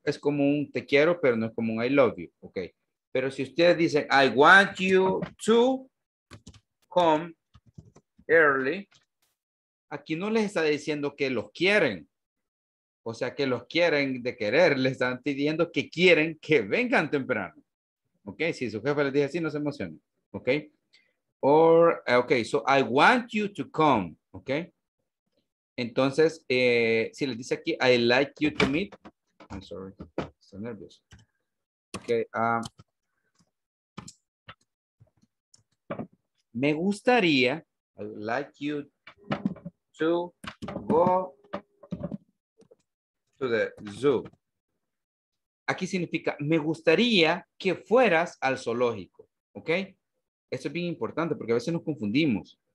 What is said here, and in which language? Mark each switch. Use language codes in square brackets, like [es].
[es] Es como un te quiero, pero no es como un [en] I love you. [es] Okay. Pero si ustedes dicen, [en] I want you to come early, [es] aquí no les está diciendo que los quieren. O sea, que los quieren de querer, les están pidiendo que quieren que vengan temprano. Ok, si su jefe les dice así, no se emocionen. Ok. [en] Or, ok, so I want you to come. Ok. [es] Entonces, si les dice aquí, [en] I like you to meet. I'm sorry, [es] estoy nervioso. [en] Ok, [es] me gustaría, [en] I would like you to go to the zoo. [es] Aquí significa, me gustaría que fueras al zoológico, ¿ok? Esto es bien importante porque a veces nos confundimos.